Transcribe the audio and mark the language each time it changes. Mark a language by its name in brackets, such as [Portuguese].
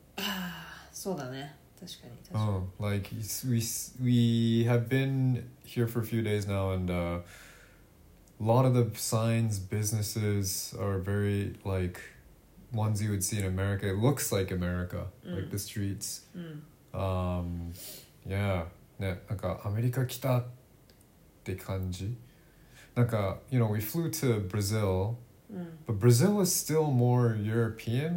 [Japanese] ああ、そうだね。確かに。 [English] Like we have been here for a few days now and a lot of the signs, businesses are very like ones you would see in America. It looks like America, like the streets. [Japanese] なんかアメリカ来たって感じ。 [English] なんか you know we flew to Brazil, but Brazil was still more European.